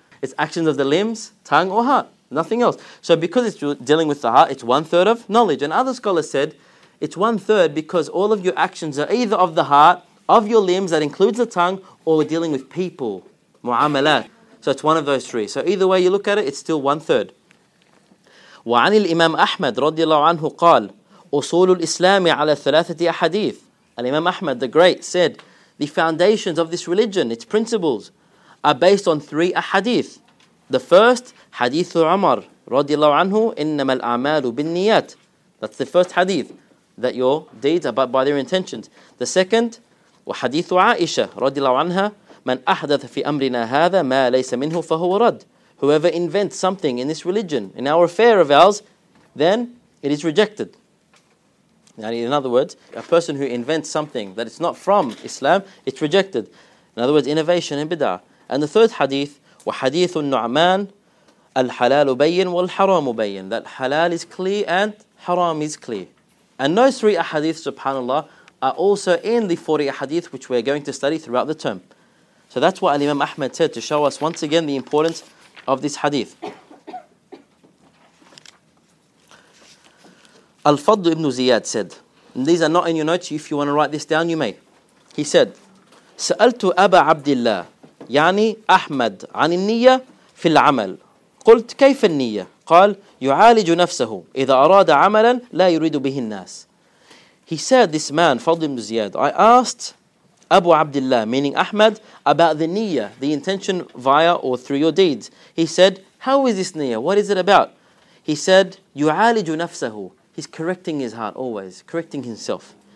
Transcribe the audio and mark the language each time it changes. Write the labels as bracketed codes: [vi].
[en] It's actions of the limbs, tongue, or heart. Nothing else. So because it's dealing with the heart, it's one third of knowledge. And other scholars said, it's one third because all of your actions are either of the heart, of your limbs, that includes the tongue, or dealing with people, mu'amalat. So it's one of those three. So either way you look at it, it's still one third. [ar] وعن الإمام أحمد رضي الله عنه قال أصول الإسلام على ثلاثة أحاديث. [en] Al-Imam Ahmad the Great said, the foundations of this religion, its principles, are based on three ahadith. The first, Hadith Umar, radiallahu anhu, innama al-a'malu bin-niyat. That's the first hadith, that your deeds are but by their intentions. The second, wa Hadith Aisha, radiallahu anha, [ar] man ahdath fi amrina hadha ma laysa minhu fahuwa rad. [en] Whoever invents something in this religion, in our affair of ours, then it is rejected. In other words, a person who invents something that it's not from Islam, it's rejected. In other words, innovation and bid'ah. And the third hadith, [ar] وحديث النعمان الحلال بين والحرام بين. [en] That halal is clear and haram is clear. And those three ahadith, subhanAllah, are also in the 40 ahadith which we're going to study throughout the term. So that's what Al-Imam Ahmad said, to show us once again the importance of this hadith. Al-Fadl ibn Ziyad said, and these are not in your notes, if you want to write this down, you may. He said, [ar] سَأَلْتُ أَبَا عَبْدِ اللَّهِ يعني أحمد عن النية في العمل قلت كيف النية قال يعالج نفسه إذا أراد عملا لا يريد به الناس. [en] He said, this man, Fadl ibn Ziyad, I asked Abu Abdullah, meaning Ahmed, about the niyya, the intention via or through your deeds. He said, how is this niyya? What is it about? He said, [ar] يعالج نفسه. [en] He's correcting his heart always, correcting himself.